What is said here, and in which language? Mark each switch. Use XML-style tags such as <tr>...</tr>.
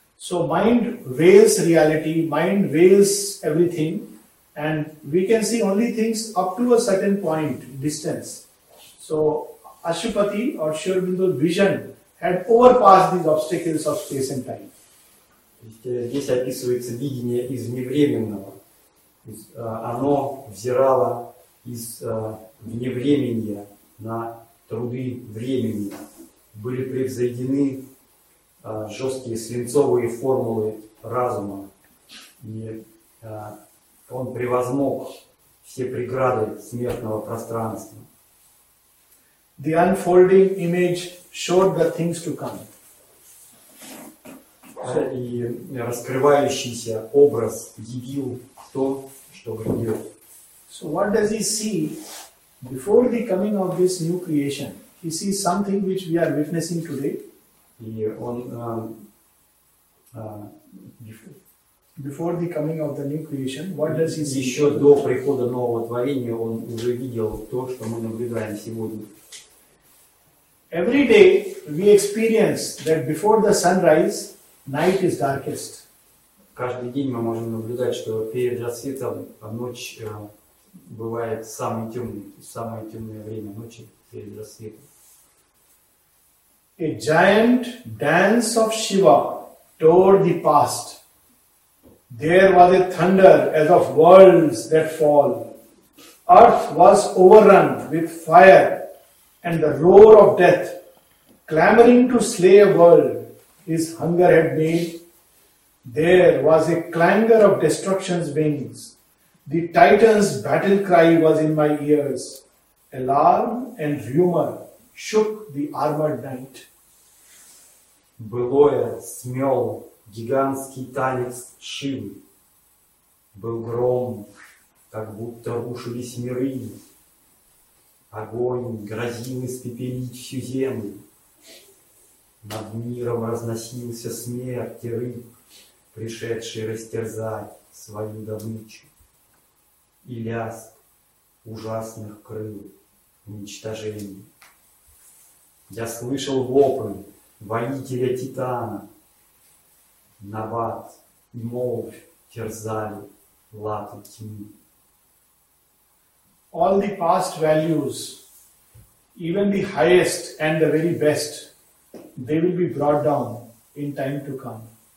<en>So mind veils reality, mind veils everything, and we can see only things up to a certain point, distance. So Ashupati or Sri Aurobindo's vision had overpassed these obstacles of space and time.</en> <ru>Здесь описывается видение из невременного. Оно взирало из вневременья на труды времени были превзойдены жесткие свинцовые формулы разума. И он превозмог все преграды смертного пространства.</ru> <en>The unfolding image showed the things to come.</en> <ru>И раскрывающийся образ явил то, что грядет.</ru> <en>So what does he see before the coming of this new creation? He sees something which we are witnessing today.</en> <ru>И он</ru> <en>before the coming of the new creation, what does he see?</en> <ru>Еще до прихода нового творения он уже видел то, что мы наблюдаем сегодня.</ru> <en>Every day we experience that before the sunrise, night is darkest.</en> <ru>Каждый день мы можем наблюдать, что перед рассветом ночь бывает самое темное время ночи перед рассветом.</ru> <en>A giant dance of Shiva tore the past. There was a thunder as of worlds that fall. Earth was overrun with fire. And the roar of death, clamoring to slay a world his hunger had made. There was a clangor of destruction's wings. The titan's battle cry was in my ears. Alarm and rumor shook the armored night.</en> <ru>Былое смел гигантский танец Шивы. Был гром, как будто рушились миры. Огонь грозил испепелить всю землю. Над миром разносился смерть и рыб, пришедший растерзать свою добычу. И лязг ужасных крыл уничтожения. Я слышал вопль воителя Титана. Набат и Молвь терзали латы тьмы.</ru> <en>All the past values, even the highest and the very best, they will be brought down in time to come.</en>